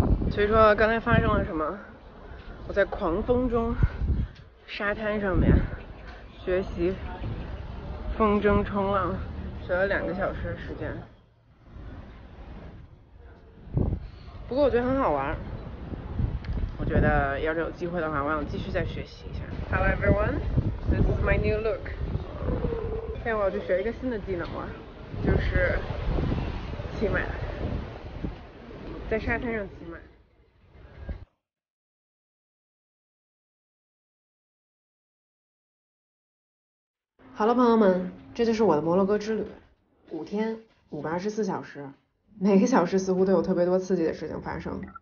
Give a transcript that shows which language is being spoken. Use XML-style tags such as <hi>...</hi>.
<zh>所以说刚才发生了什么，我在狂风中沙滩上面学习风筝冲浪，学了两个小时的时间。不过我觉得很好玩，我觉得要是有机会的话，我想继续再学习一下。</zh> <en>Hello everyone, this is my new look.</en> <zh>现在我要去学一个新的技能了，就是骑马，在沙滩上骑马。好了，朋友们，这就是我的摩洛哥之旅，五天，5×24小时，每个小时似乎都有特别多刺激的事情发生。</zh>